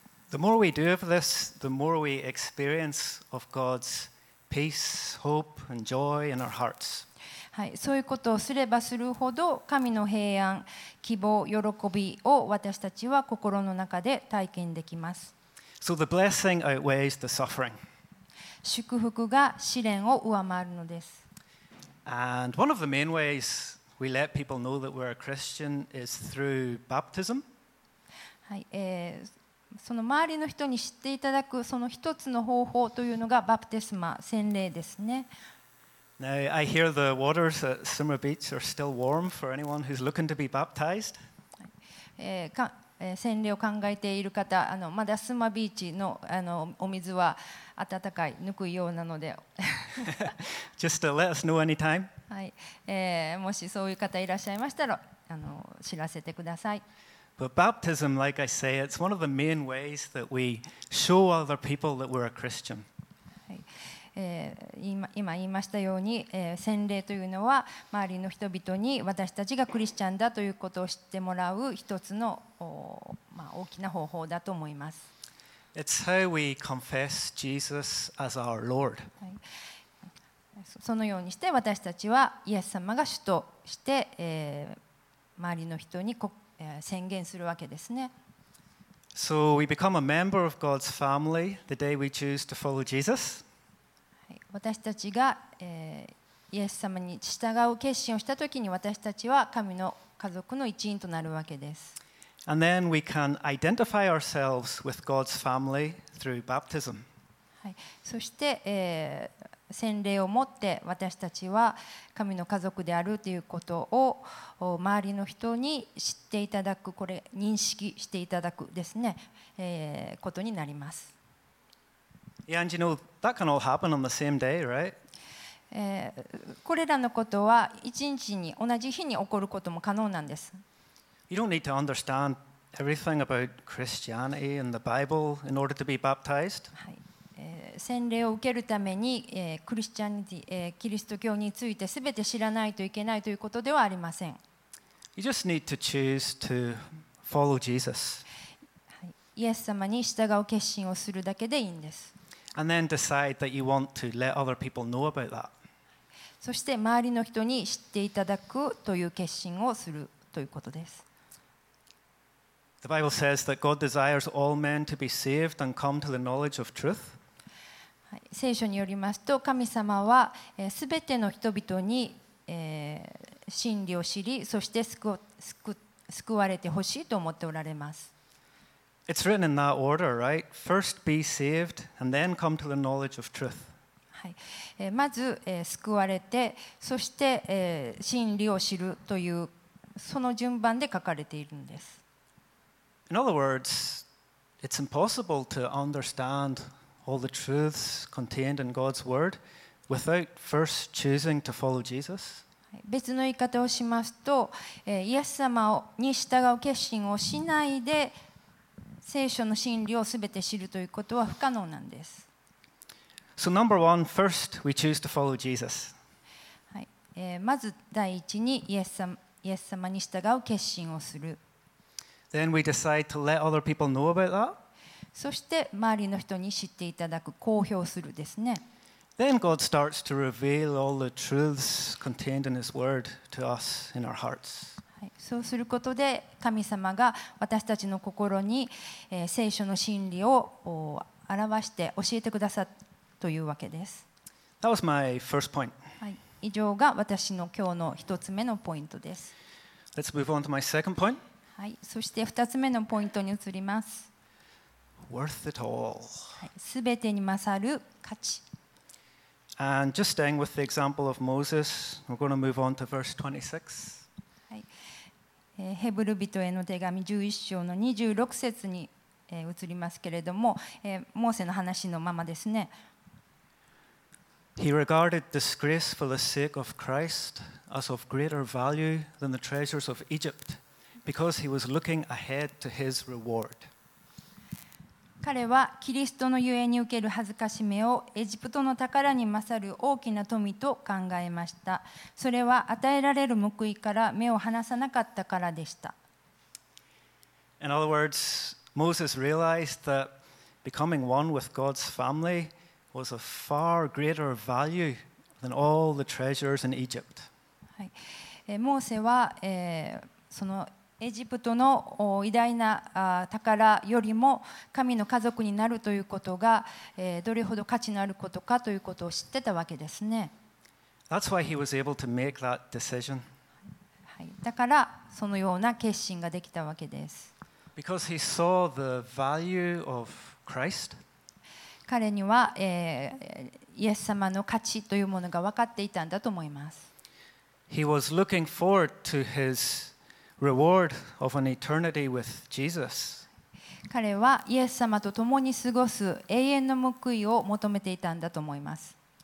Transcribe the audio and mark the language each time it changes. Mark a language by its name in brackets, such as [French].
[English] The more we do of this, the more we experience of God's peace, hope, and joy in our hearts. [Japanese] はい、そういうことをすればするほど神の平安、希望、喜びを私たちは心の中で体験できます。 [English] So the blessing outweighs the suffering. [Japanese] 祝福が試練を上回るのです。 [English] And one of the main ways we let people know that we're a Christian is through baptism. [Japanese] はい、その周りの人に知っていただくその一つの方法というのがバプテスマ、洗礼ですね。 [English] Now, I hear the waters at Summer Beach are still warm for anyone who's looking to be baptized. [Japanese] 洗礼を考えている方、まだスマビーチの、お水は温かい、ぬくいようなので。 [English] Just to let us know anytime. [Japanese] はい、もしそういう方いらっしゃいましたら、知らせてください。 [English] But baptism, like I say, it's one of the main ways that we show other people that we're a Christian. [Japanese] 今言いましたように、洗礼というのは周りの人々に私たちがクリスチャンだということを知ってもらう一つの、大きな方法だと思います。 [English] It's how we confess Jesus as our Lord.、 [Japanese] はい、そのようにして私たちはイエス様が主として、周りの人に宣言するわけですね。 [English] So we become a member of God's family the day we choose to follow Jesus. [Japanese] 私たちが、イエス様に従う決心をしたときに私たちは神の家族の一員となるわけです。 [English] And then we can identify ourselves with God's family through baptism. [Japanese] はい、そして、洗礼をもって私たちは神の家族であるということを周りの人に知っていただく、これ認識していただくですね、ことになります。 [English] Yeah, and you know, that can all happen on the same day, right? [Japanese] これらのことは一日に同じ日に起こることも可能なんです。 [English] You don't need to understand everything about Christianity and the Bible in order to be baptized. [Japanese] 洗礼を受けるために、クリスチャニティ、キリスト教についてすべて知らないといけないということではありません。 [English] You just need to choose to follow Jesus. [Japanese] イエス様に従う決心をするだけでいいんです。 [English] And then decide that you want to let other people know about that. [Japanese] そして周りの人に知っていただくという決心をするということです。 [English] The Bible says that God desires all men to be saved and come to the knowledge of truth. [Japanese] 聖書によりますと、神様はすべての人々に真理を知り、そして救われてほしいと思っておられます。 [English] It's written in that order, right? First be saved and then come to the knowledge of truth. [Japanese] はい。まず、救われて、そして、真理を知るというその順番で書かれているんです。 [English] In other words, it's impossible to understand all the truths contained in God's word without first choosing to follow Jesus. [Japanese] 別の言い方をしますと、イエス様に従う決心をしないで聖書の真理をすべて知るということは不可能なんです。 [English] So number one, first we choose to follow Jesus. [Japanese] はい、まず第一にイエス様に従う決心をする。 [English] Then we decide to let other people know about that. [Japanese] そして周りの人に知っていただく、公表するですね。 [English] Then God starts to reveal all the truths contained in His Word to us in our hearts. [Japanese] そうすることで神様が私たちの心に聖書の真理を表して教えてくださったというわけです。 [English] That was my first point.、 [Japanese] はい、以上が私の今日の一つ目のポイントです。 [English] Let's move on to my second point.、 [Japanese] はい、そして二つ目のポイントに移ります。 [English] Worth it all. [Japanese] すべてに勝る価値。 [English] And just staying with the example of Moses, we're going to move on to verse 26. [Japanese] ヘブル人への手紙11章の26節に移りますけれども、モーセの話のままですね。 [English] He regarded disgrace for the sake of Christ as of greater value than the treasures of Egypt, because he was looking ahead to his reward. [Japanese] 彼はキリストのゆえに受ける恥ずかしめをエジプトの宝に勝る大きな富と考えました。それは与えられる報いから目を離さなかったからでした。 [English] In other words, Moses realized that becoming one with God's family. Was a far greater value than all the treasures in Egypt. [Japanese] モーセは、そのエジプトの偉大な宝よりも神の家族になるということが、どれほど価値のあることかということを知ってたわけですね。 [English] That's why he was able to make that decision. [Japanese] だからそのような決心ができたわけです。 [English] Because he saw the value of Christ. [Japanese] 彼には、イエス様の価値というものが分かっていたんだと思います。 [English] He was looking forward to his reward of an eternity with Jesus. [Japanese] 彼はイエス様と共に過ごす永遠の報いを求めていたんだと思います。